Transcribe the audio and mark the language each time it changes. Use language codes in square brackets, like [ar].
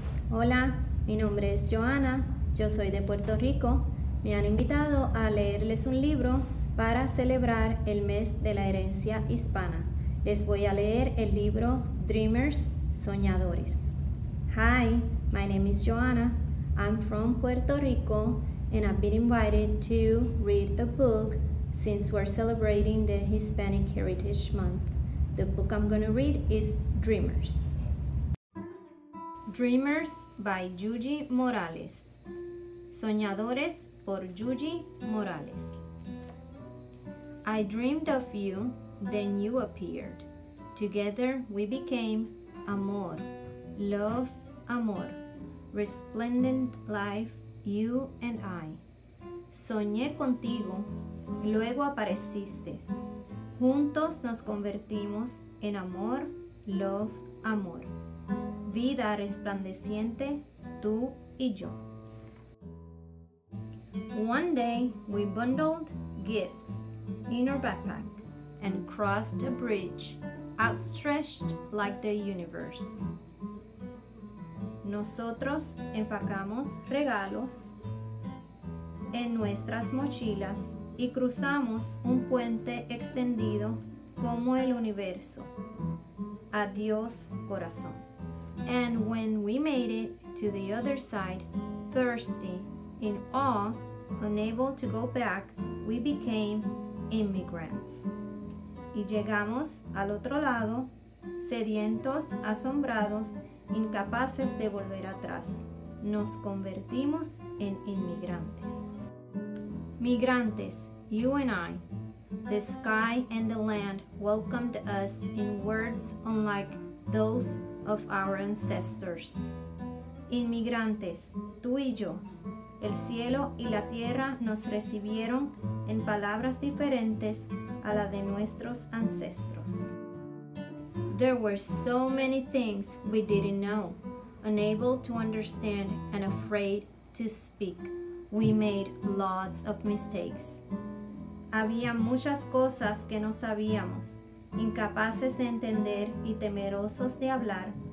[es] Hola, mi nombre es Joana, yo soy de Puerto Rico. Me han invitado a leerles un libro para celebrar el mes de la herencia hispana. Les voy a leer el libro Dreamers, Soñadores. [en] Hi, my name is Joana. I'm from Puerto Rico and I've been invited to read a book since we're celebrating the Hispanic Heritage Month. The book I'm going to read is Dreamers. Dreamers by Yuji Morales. Soñadores por Yuji Morales. I dreamed of you, then you appeared. Together we became amor, love, amor, resplendent life, you and I. [es] Soñé contigo, luego apareciste. Juntos nos convertimos en amor, love, amor. Vida resplandeciente, tú y yo. [en] One day, we bundled gifts in our backpack and crossed a bridge outstretched like the universe. [es] Nosotros empacamos regalos en nuestras mochilas y cruzamos un puente extendido como el universo. Adiós, corazón. [en] And when we made it to the other side, thirsty, in awe, unable to go back, we became immigrants. [es] Y llegamos al otro lado, sedientos, asombrados, incapaces de volver atrás. Nos convertimos en inmigrantes. Migrantes, you and I. [en] The sky and the land welcomed us in words unlike those of our ancestors. [es] Inmigrantes, tú y yo, el cielo y la tierra nos recibieron en palabras diferentes a la de nuestros ancestros. [en] There were so many things we didn't know, unable to understand and afraid to speak. We made lots of mistakes. [es] Había muchas cosas que no sabíamos, incapaces de entender y temerosos de hablar.